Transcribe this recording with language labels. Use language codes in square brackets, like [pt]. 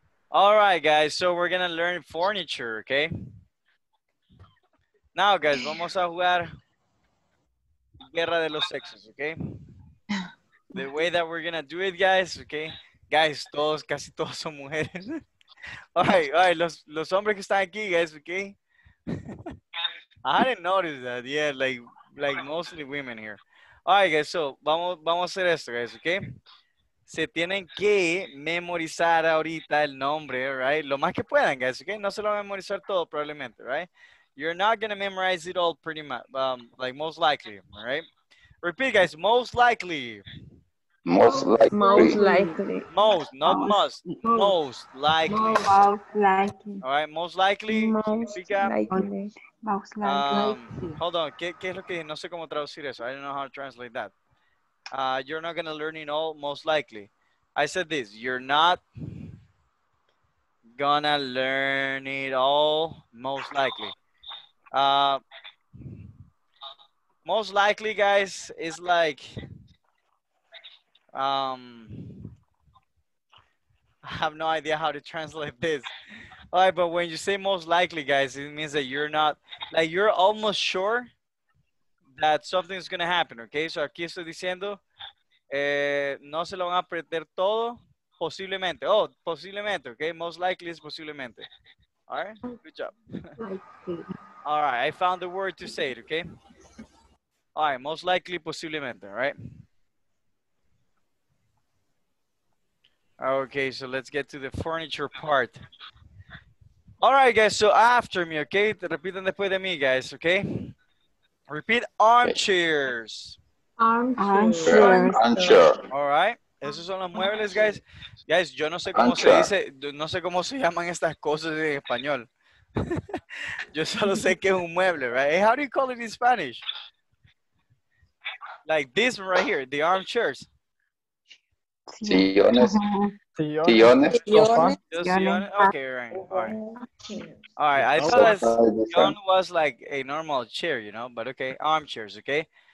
[en] All right, guys, so we're going to learn furniture, okay? Now, guys, [es] vamos a jugar Guerra de los Sexos, okay? [en] The way that we're going to do it, guys, okay? [es] Guys, todos, casi todos son mujeres. [en] All right, [es] los hombres que están aquí, guys, okay? [en] I didn't notice that, yeah, like mostly women here. All right, guys, so [es] vamos a hacer esto, [en] guys, okay? [es] Se tienen que memorizar ahorita el nombre, right? Lo más que puedan, guys, okay? No se lo van a memorizar todo, probablemente, right? [en] You're not going to memorize it all pretty much, like most likely, right? Repeat, guys, most likely. Most likely. Most likely. Most, not most. Must. Most likely. Most likely. All right, most likely. Most [es] significa? [en] Likely. Most likely. Hold on, [es] ¿qué es lo que dije? No sé cómo traducir eso. [en] I don't know how to translate that. You're not going to learn it all, most likely. I said this, you're not going to learn it all, most likely. Most likely, guys, is like, I have no idea how to translate this. All right, but when you say most likely, guys, it means that you're not, like, you're almost sure that something's going to happen, okay? [es] So, aquí estoy diciendo, no se lo van a perder todo, posiblemente. [en] Oh, posiblemente, okay? Most likely is posiblemente. All right? Good job. All right, I found the word to say it, okay? All right, most likely, posiblemente, all right? Okay, so let's get to the furniture part. All right, guys, so after me, okay? [es] Repiten después de mí, [en] guys, okay? Repeat armchairs. Armchair. All right. [es] Esos son los muebles, guys. Guys, yo no sé cómo se dice, no sé cómo se llaman estas cosas en español. Yo solo sé que es un mueble, right? [en] Hey, how do you call it in Spanish? Like this one right here, the armchairs. [es] Sillones. Sillones. [en] Okay, right. All right. All right. I thought that sillon was like a normal chair, you know, but okay, armchairs, okay?